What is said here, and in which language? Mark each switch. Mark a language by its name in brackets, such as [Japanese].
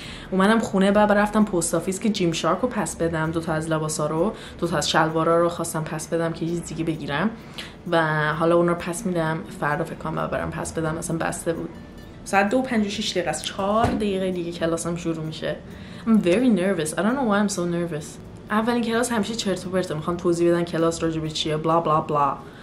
[Persian] اومدم خونه بعد رفتم پست آفیس که جیم شارک رو پس بدم. دوتا از لباسا رو، دوتا از شلوارا رو خواستم پس بدم که چیز دیگه بگیرم و حالا اون رو پس میدم. فردا فکرم بعد برم پس بدم. اصلا بسته بود. ساعت 2:56 دقیقه است. 4 دقیقه دیگه کلاسم شروع میشه. [English] I'm very nervous. I don't know why I'm so nervous. [Persian] اولین کلاس همیشه چرت و پرته. میخوام توضیح بدن کلاس راجع به چیه بلا بلا بلا.